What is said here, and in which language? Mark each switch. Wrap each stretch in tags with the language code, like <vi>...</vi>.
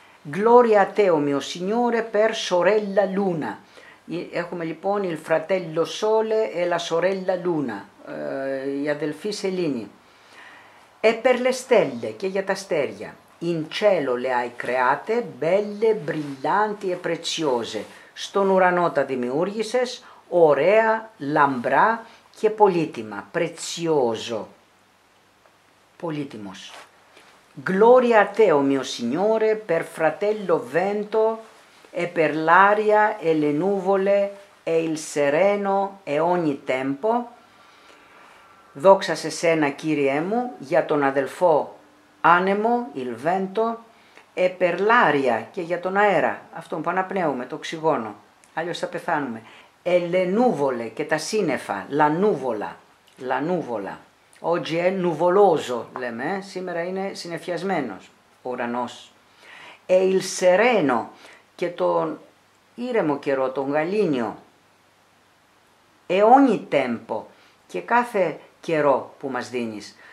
<it>Gloria a te, o mio Signore, per sorella luna.</it> <el>Έχουμε λοιπόν</el> <it>il fratello sole e la sorella luna,</it> <el>η αδελφή σελήνη.</el> <it>E per le stelle,</it> <el>και για τα αστέρια.</el> <it>In cielo le hai create, belle, brillanti e preziose.</it> <el>Στον ουρανό τα δημιούργησες, ωραία, λαμπρά και πολύτιμα, prezioso. Πολύτιμος.</el> <it>Gloria a te, o mio Signore, per fratello vento, e per l'aria e le nuvole e il sereno e ogni tempo.</it> <el>Δόξα σε σένα, Κύριέ μου, για τον αδελφό άνεμο,</el> <it>il vento, e per l'aria,</it> <el>και για τον αέρα, αυτόν που αναπνέουμε, το οξυγόνο, αλλιώς θα πεθάνουμε.</el> <it>E le nuvole,</it> <el>και τα σύννεφα,</el> <it>la nuvola, la nuvola. Oggi è nuvoloso,</it> <el>λέμε, σήμερα είναι συννεφιασμένος, ουρανός.</el> <it>E il sereno,</it> <el>και τον ήρεμο καιρό, τον γαλήνιο.</el> <it>E ogni tempo,</it> <el>και κάθε καιρό που μας δίνεις.</el>